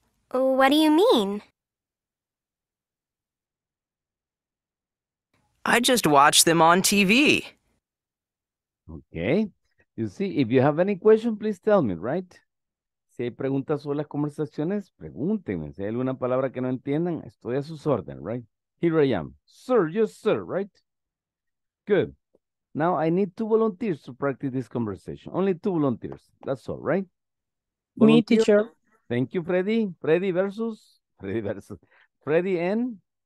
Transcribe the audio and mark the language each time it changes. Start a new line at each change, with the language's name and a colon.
English: What do you mean? I just watch them on TV. Okay. You see, if you have any question, please tell me, right?
Spanish: Si hay preguntas sobre las conversaciones, pregúntenme. Si hay alguna palabra que no entiendan, estoy a sus órdenes,
English: right? Here I am. Sir, yes, sir, right? Good. Now I need 2 volunteers to practice this conversation. Only 2 volunteers. That's all, right? Volunteer. Me, teacher. Thank you, Freddy. Freddy versus. Freddy and?